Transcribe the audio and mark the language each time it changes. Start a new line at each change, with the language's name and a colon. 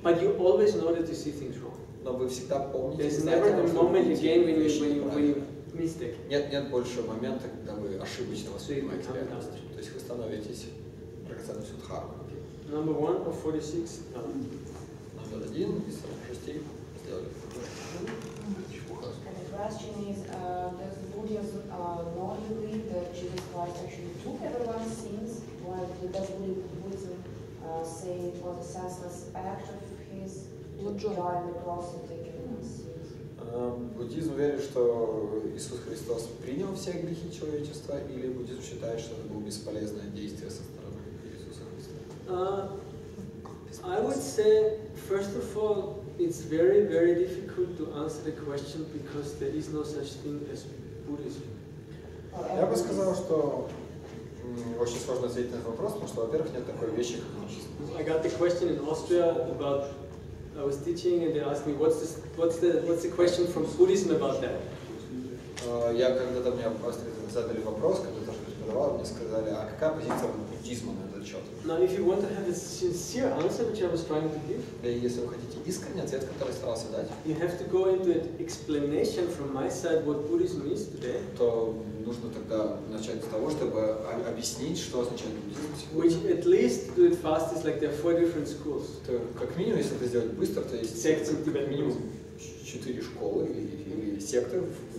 English: But you always know that you see things wrong.
Russian: Но вы всегда помните.
English: There's never a moment again when you mistake.
Russian: Нет больше момента, когда вы ошибочно воспринимаете реальность. То есть вы становитесь драгоценным Сиддхармой.
English: Number one of 46.
Russian: Номер один из 46 сделали.
English: Question is, does Buddhism not believe that Jesus Christ actually took everyone's sins, while does Buddhism say it was a senseless act of his to drive the cross and take everyone's sins?
Russian: Буддизм верит, что Иисус Христос принял все грехи человечества, или буддизм считает, что это было бесполезное действие со стороны Иисуса Христа?
English: I would say, first of all, it's very, very difficult to answer the question because there is no such thing as Buddhism.
Russian: Я бы сказал, что очень сложно ответить на этот вопрос, потому что, во-первых, нет такой вещи, как
English: Buddhism. I got the question in Austria about I was teaching and they asked me what's the question from Buddhism about that?
Russian: Я когда-то мне в Австрии задали вопрос, когда тоже преподавал, мне сказали, а какая позиция буддизма на этот счет?
English: Now, if you want to have a sincere answer, which I was trying to give,
Russian: если вы хотите искренний ответ, который я старался дать,
English: you have to go into an explanation from my side what Buddhism is today.
Russian: То нужно тогда начать с того, чтобы объяснить, что означает буддизм.
English: Which at least do it fast is like there are four different schools.
Russian: То как минимум, если это сделать быстро, то есть секции как минимум четыре школы или секты в